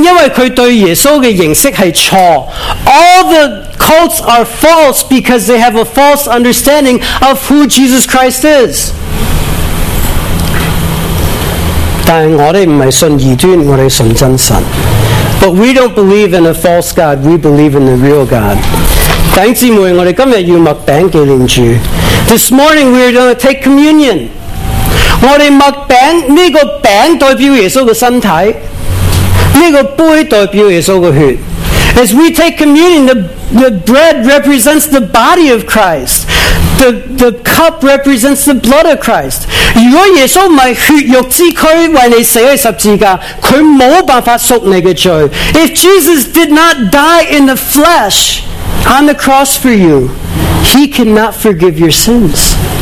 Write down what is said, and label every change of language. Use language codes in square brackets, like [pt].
[zh] 所有异端是异端，因为他对耶稣的认识是错。 [en] All the cults are false because they have a false understanding of who Jesus Christ is. [zh] 但我们不是信异端，我们信真神。 [en] But we don't believe in a false God, we believe in the real God. [zh] 弟兄姊妹，我们今天要默饼纪念主。 [en] This morning we are going to take communion. [zh] 我们默饼，这个饼代表耶稣的身体，这个杯代表耶稣的血。 [en] As we take communion, the bread represents the body of Christ. The cup represents the blood of Christ. [zh] 如果耶稣不是血肉之躯为你死在十字架，他没有办法赎你的罪。 [en] If Jesus did not die in the flesh on the cross for you, he cannot forgive your sins.